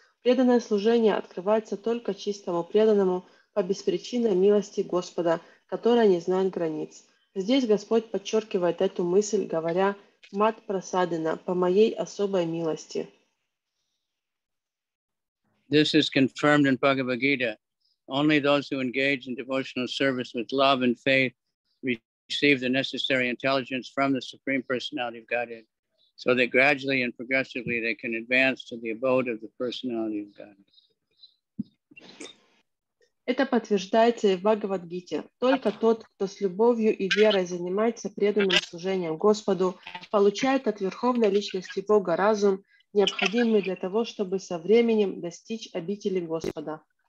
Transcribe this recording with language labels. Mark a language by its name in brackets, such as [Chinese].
[Russian] Преданное служение открывается только чистому преданному по беспричинной милости Господа, которая не знает границ. Здесь Господь подчеркивает эту мысль, говоря «Мат прасадена» по моей особой милости. [English] This is confirmed in Bhagavad Gita. Only those who engage in devotional service with love and faith receive the necessary intelligence from the Supreme Personality of Godhead, so that gradually and progressively they can advance to the abode of the Personality of God. [Russian] Это подтверждается и в Бхагавад-гите. Только тот, кто с любовью и верой занимается преданным служением Господу, получает от Верховной Личности Бога разум, необходимый для того, чтобы со временем достичь обители Господа.